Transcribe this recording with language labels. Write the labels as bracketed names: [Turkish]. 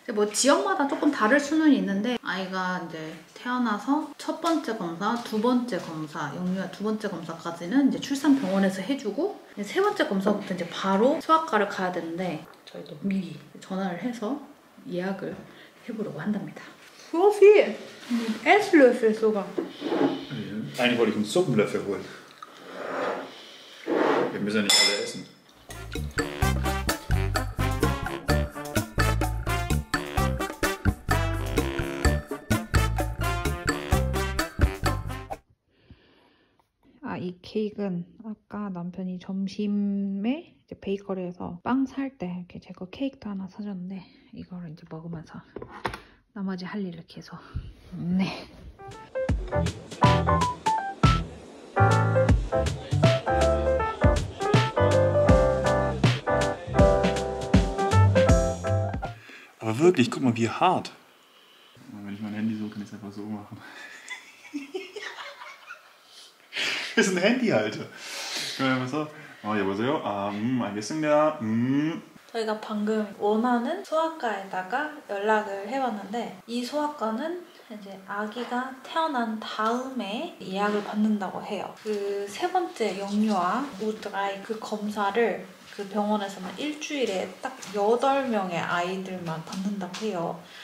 [Korean] 근데 뭐 지역마다 조금 다를 수는 있는데 아이가 이제 태어나서 첫 번째 검사, 두 번째 검사, 영유아 두 번째 검사까지는 이제 출산 병원에서 해주고 이제 세 번째 검사부터 이제 바로 소아과를 가야 되는데 저희도 미리 전화를 해서 예약을 해보려고 한답니다. 소피, 에슬러스 소가. 아니, 우리 좀 소금을 해보자. [German] Wir müssen ja nicht alle essen. [Korean] Ah, 이 케이크는 아까 남편이 점심에 이제 베이커리에서 빵 살 때 이렇게 제 거 케이크도 하나 사줬는데 이거를 이제 먹으면서 나머지 할 일을 계속. 네. [German] Wirklich, guck mal, wie hart. Wenn ich mein Handy so, kann ich es einfach so machen. Das ist ein Handyhalter. Oh, ja, was soll ich? Ein bisschen mehr. [Korean] 저희가 방금 원하는 소아과에다가 연락을 해봤는데 이 소아과는 이제 아기가 태어난 다음에 예약을 받는다고 해요. 그 세 번째 영유아 우드라이 그 검사를 그 병원에서는 일주일에 딱 8명의 아이들만 받는다고 해요.